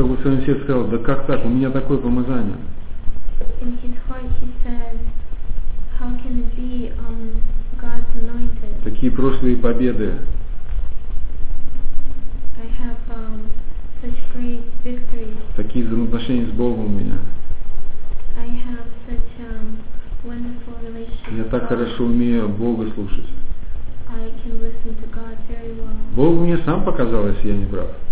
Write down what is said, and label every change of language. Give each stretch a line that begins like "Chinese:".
Russian: своем сердце сказал, да как так, у меня такое помазание.
English: In his heart he said, how can it be God's anointed?
Russian: Такие прошлые победы.
English: I have such great victories.
Russian: Такие взаимоотношения с Богом у меня.
English: I have such wonderful relationship.
Russian: Я так хорошо умею Бога слушать.
English: I can listen to God very well.
Russian: Бог мне сам показал, если я не прав.